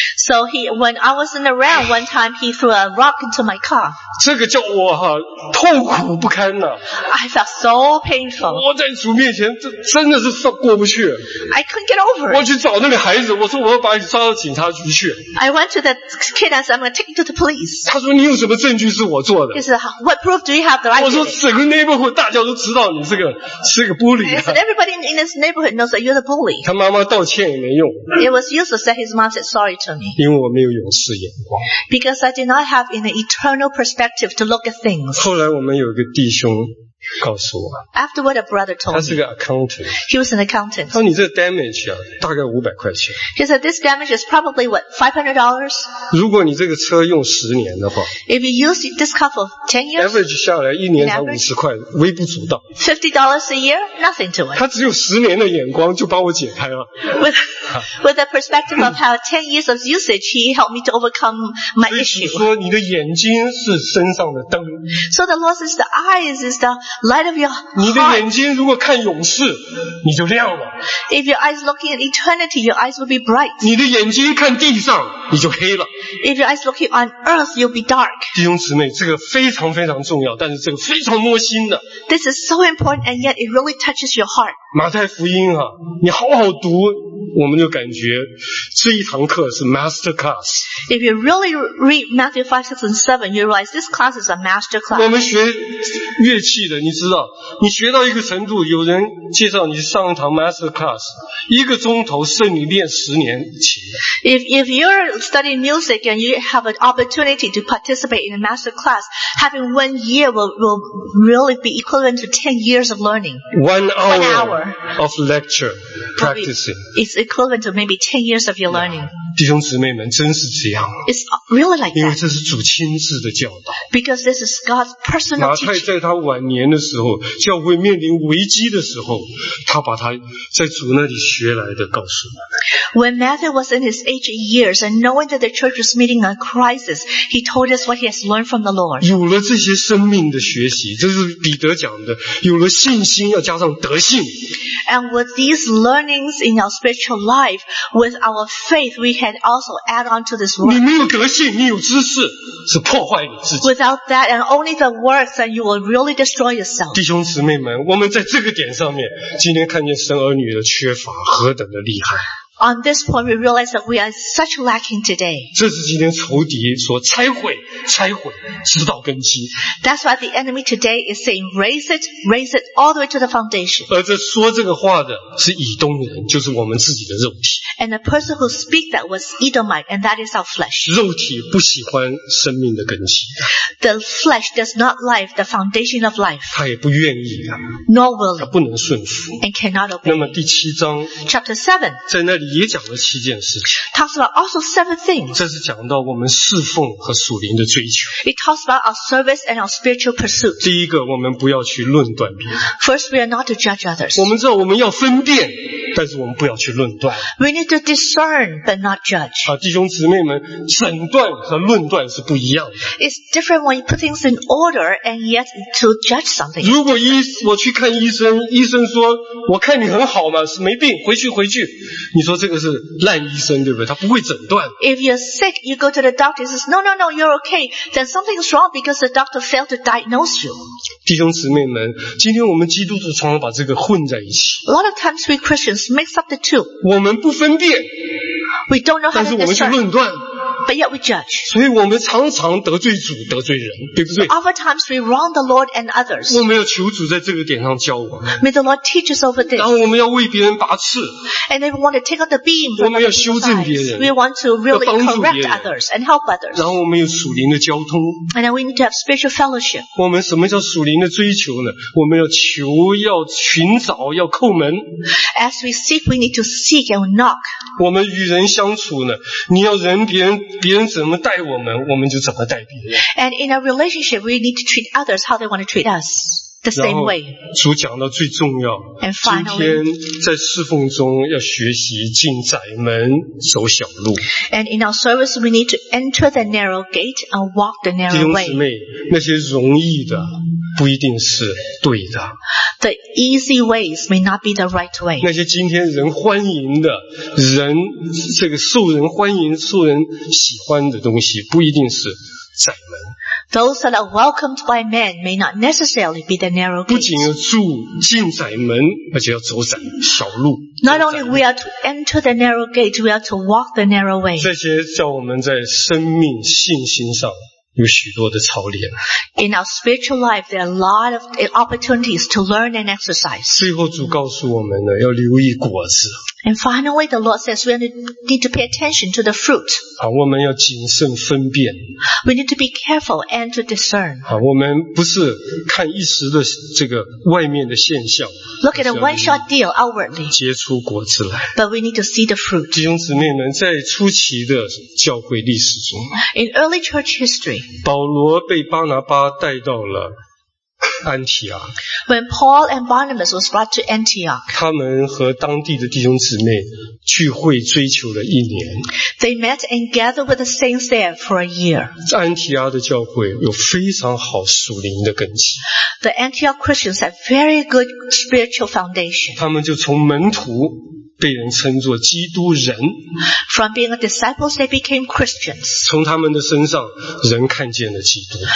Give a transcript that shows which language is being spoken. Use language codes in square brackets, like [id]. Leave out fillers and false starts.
[en] So he, when I wasn't around, one time he threw a rock into my car. [zh] 这个叫我哈、啊、痛苦不堪呐、 [en] 啊。I felt so painful. [zh] 我在主面前，真的是过不去。 [en] I couldn't get over it. [zh] 我去找那个孩子，我说我要把你抓到警察局去。 [en] I went to the kid and said, I'm going to take you to the police. [zh] 他说你有什么证据是我做的？ [en] He said, What proof do you have that I did? [zh] 我说整个 neighborhood 大家都知道你是个 bully、啊。 [en] He said, Everybody in this neighborhood knows that you're the bully. [zh] 他妈妈道歉也没用。 [en] It was useless that his mom said sorry to me. [zh] 因为我没有勇士眼光。 [en] Because I did not have an eternal perspective to look at things. [zh] 后来我们有一个弟兄告诉我。 [en] After what a brother told me. [zh] 他是个 accountant. [en] He was an accountant. [zh] 他说你这 damage 啊，大概500块钱。 [en] He said, this damage is probably what, $500? [zh] 如果你这个车用十年的话。 [en] If you use this car for 10 years. [zh] Average 下来一年才50块，微不足道。 [en] $50 a year? Nothing to it. [zh] 他只有十年的眼光就把我解开了。 [en] With the perspective of how 10 years of usage, he helped me to overcome my issue. [zh] 所以说你的眼睛是身上的灯。 [en] So the Lord says the eyes is the light of your heart. [zh] 你的眼睛如果看勇士，你就亮了。 [en] If your eyes looking at eternity, your eyes will be bright. [zh] 你的眼睛看地上，你就黑了。 [en] If your eyes looking on earth, you'll be dark. [zh] 弟兄姊妹，这个非常非常重要，但是这个非常摸心的。 [en] This is so important, and yet it really touches your heart. [zh] 马太福音啊，你好好读，我们就感觉这一堂课是 master class. [en] If you really read Matthew 5, 6, and 7, you realize this class is a master class. [zh] 我们学乐器的，你知道，你学到一个程度，有人介绍你上一堂 master class, 一个钟头是你练十年琴的。 [en] If you're studying music and you have an opportunity to participate in a master class, having 1 year will really be equivalent to 10 years of learning. One hour of lecture practicing. It's equivalent to maybe 10 years of your learning. [zh] 弟兄姊妹们，真是这样。 [en] It's really like that. [zh] 因为这是主亲自的教导。 [en] Because this is God's personal teaching. [zh] 马太在他晚年的时候，教会面临危机的时候，他把他在主那里学来的告诉我们。 [en] When Matthew was in his aged years and knowing that the church was meeting a crisis, he told us what he has learned from the Lord. [zh] 有了这些生命的学习，这是彼得讲的，有了信心要加上德性。 [en] And with these learnings in our spiritual life, with our faith, we can also add on to this word. [zh] 你没有德性，你有知识，是破坏你自己。 [en] Without that, and only the words, then you will really destroy yourself. [zh] 弟兄姊妹们，我们在这个点上面，今天看见生儿女的缺乏，何等的厉害。 [en] On this point, we realize that we are such lacking today. [zh] 这是今天仇敌说拆毁、拆毁，直到根基。 [en] That's why the enemy today is saying, raise it all the way to the foundation. [zh] 而这说这个话的是以东人，就是我们自己的肉体。 [en] and a person who speaks that was Edomite, and that is our flesh. [zh] 肉体不喜欢生命的根基。 [en] The flesh does not like the foundation of life. [zh] 他也不愿意啊。 [en] Nor will it. [zh] 他不能顺服。 [en] And cannot obey. [zh] 那么第七章。 [en] Chapter 7. [zh] 在那里也讲了七件事情。 [en] Talks about also seven things. [zh] 这是讲到我们侍奉和属灵的追求。 [en] It talks about our service and our spiritual pursuit. [zh] 第一个，我们不要去论断别人。 [en] First, we are not to judge others. [zh] 我们知道我们要分辨。但是我们不要去论断。 [en] We need to discern but not judge. [zh] 啊，弟兄姊妹们，诊断和论断是不一样的。 [en] It's different when you put things in order and yet to judge something. [zh] 如果我去看医生，医生说我看你很好嘛，是没病，回去，你说这个是烂医生对不对？他不会诊断。 [en] If you're sick, you go to the doctor. He says, No, you're okay. Then something is wrong because the doctor failed to diagnose you. [zh] 弟兄姊妹们，今天我们基督徒常常把这个混在一起。 [en] A lot of times we Christians mix up the two. [zh] 我们不分辨 [en] we don't know how to [zh] discern, 但是我们去论断 [en] but yet we judge. [zh] 所以我们常常得罪主得罪人对不对 [en] Other times we wrong the Lord and others. [zh] 我们要求主在这个点上教我 [en] May the Lord teach us over this. [zh] 然后我们要为别人拔刺 [en] And if we want to take out the beam, [zh] 我们要修正别人 [en] We want to really correct others and help others. [zh] 然后我们有属灵的交通 [en] And then we need to have spiritual fellowship. [zh] 我们什么叫属灵的追求呢我们要求要寻找要叩门 [en] As we seek, we need to seek and knock. [zh] 我们与人相处呢，你要人别人怎么待我们，我们就怎么待别人。 [en] And in a relationship, we need to treat others how they want to treat us, the same way. [zh] 主讲到最重要。 [en] And finally, [zh] 今天在侍奉中要学习进窄门，走小路。 [en] And in our service, we need to enter the narrow gate and walk the narrow way. [zh] 弟兄姊妹，那些容易的。不一定是对的。 [en] The easy ways may not be the right way. [zh] 那些今天人欢迎的人这个受人欢迎受人喜欢的东西不一定是窄门。 [en] Those that are welcomed by men may not necessarily be the narrow gate. [zh] 不仅要住进窄门而且要走窄小路。 [en] Not only we are to enter the narrow gate, we are to walk the narrow way. [zh] 这些叫我们在生命信心上有许多的操练。 [en] In our spiritual life, there are a lot of opportunities to learn and exercise. [zh] 最后主告诉我们呢，要留意果子。 [en] And finally, the Lord says we need to pay attention to the fruit. [zh] 好，我们要谨慎分辨。 [en] We need to be careful and to discern. [zh] 好，我们不是看一时的这个外面的现象。 [en] Look at a one-shot deal outwardly. [zh] 结出果子来。 [en] But we need to see the fruit. [zh] 弟兄姊妹们，在初期的教会历史中 [en] ，In early church history, [zh] 保罗被巴拿巴带到了。安提阿。 [en] When Paul and Barnabas was brought to Antioch, [zh] 他们和当地的弟兄姊妹聚会追求了一年。 [en] They met and gathered with the saints there for a year. [zh] 安提阿的教会有非常好属灵的根基。 [en] The Antioch Christians had very good spiritual foundation. [zh] 他们就从门徒被人称作基督人。 [en] From being a disciples, they became Christians. [zh] 从他们的身上，人看见了基督。